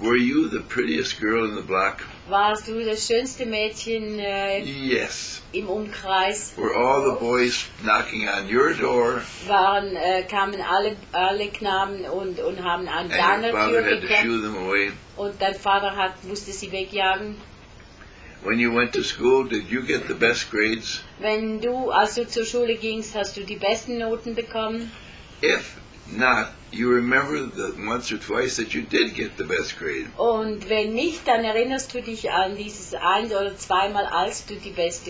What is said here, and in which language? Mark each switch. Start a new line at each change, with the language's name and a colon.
English: Were you the prettiest girl in the block?
German: Warst du das schönste Mädchen
English: yes.
German: Im Umkreis?
English: Were all the boys knocking on your door?
German: Kamen alle Knaben und haben an deiner Tür geklopft? Und dein Vater musste sie wegjagen?
English: When you went to school, did you get the best grades?
German: Wenn du, als du zur Schule gingst, hast du die besten Noten bekommen?
English: If not, you remember the once or twice that you did get the best grade.
German: Und wenn nicht, dann erinnerst du dich an dieses ein oder zweimal, als du die beste